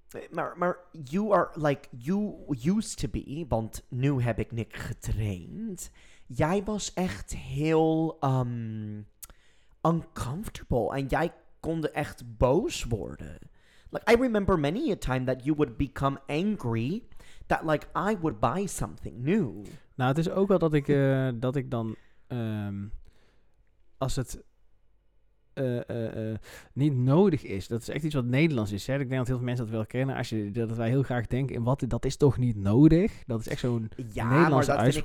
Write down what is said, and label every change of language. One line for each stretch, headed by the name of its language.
Dutch: Maar
English: you are like, you used to be,
Dutch: want nu heb ik Nick getraind. Jij was echt heel uncomfortable. En jij kon echt boos worden.
English: Like, I remember many a time that you would become angry that, like, I would buy something new.
Dutch: Nou, het is ook wel dat ik dan, als het niet nodig is, dat is echt iets wat Nederlands is. Hè? Ik denk dat heel veel mensen dat wel kennen, dat wij heel graag denken, dat is toch niet nodig? Dat is echt zo'n Nederlandse uitspraak.